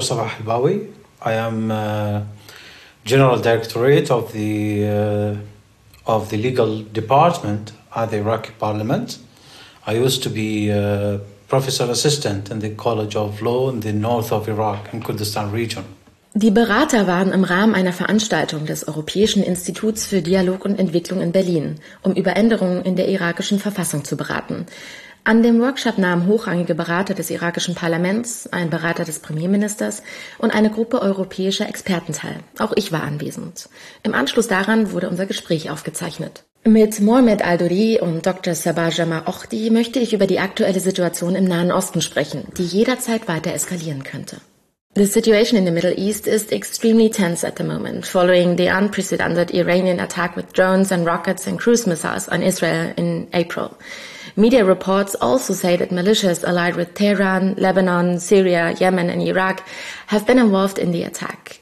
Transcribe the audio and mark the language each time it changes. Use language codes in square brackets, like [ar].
[en] Sabah Al-Bawi, I am General Directorate of the legal department at the Iraqi Parliament. I used to be a professor assistant in the College of Law in the north of Iraq in Kurdistan region. [de] Die Berater waren im Rahmen einer Veranstaltung des Europäischen Instituts für Dialog und Entwicklung in Berlin, um über Änderungen in der irakischen Verfassung zu beraten. An dem Workshop nahmen hochrangige Berater des irakischen Parlaments, ein Berater des Premierministers und eine Gruppe europäischer Experten teil. Auch ich war anwesend. Im Anschluss daran wurde unser Gespräch aufgezeichnet. Mit Mohamed al-Duri und Dr. Sabah Juma Ohdi möchte ich über die aktuelle Situation im Nahen Osten sprechen, die jederzeit weiter eskalieren könnte. [en] The situation in the Middle East is extremely tense at the moment, following the unprecedented Iranian attack with drones and rockets and cruise missiles on Israel in April. Media reports also say that militias allied with Tehran, Lebanon, Syria, Yemen and Iraq have been involved in the attack.